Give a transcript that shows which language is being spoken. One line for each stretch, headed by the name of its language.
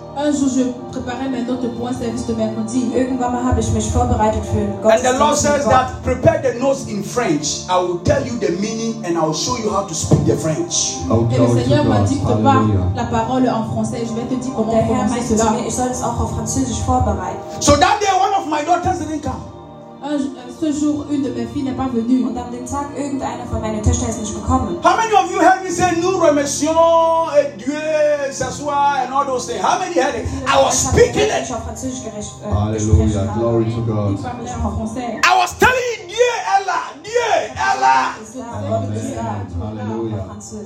French: Un jour, je préparais mes notes pour un service de mercredi.
German: Irgendwann habe ich mich vorbereitet für Gottesdienst.
English: And the Lord says that prepare the notes in French. I will tell you the meaning and I will show you how to speak the French. Okay.
French: Et le Seigneur m'a dit de pas la parole en français. Je vais te dire comment prononcer cela.
German: Ich soll es auch auf Französisch vorbereiten.
English: So that day, one of my daughters didn't come.
French: Ce jour, une de mes filles n'est pas venue.
German: Und an dem Tag, irgendeine von meinen Töchtern ist nicht gekommen.
English: How many of you heard me say,
French: nous remercions et Dieu, ce soir,
English: and all those things? How many heard it? I was speaking it. Hallelujah, glory to God. I was telling Dieu, Allah, Dieu, Allah. Hallelujah.